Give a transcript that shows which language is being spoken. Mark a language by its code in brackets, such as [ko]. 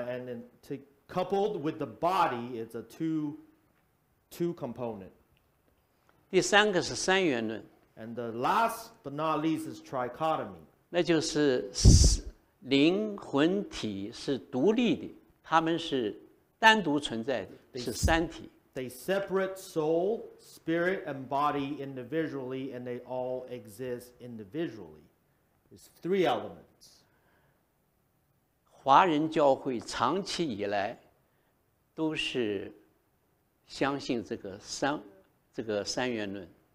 [en] And coupled with the body, it's a two component. [zh] 第三个是三元论。 [en] And the last but not least is trichotomy. [zh] 那就是灵魂体是独立的，他们是单独存在的，是三体。 [en] They separate soul, spirit, and body individually, and they all exist individually. It's three elements. [zh] 华人教会长期以来都是相信这个三元论。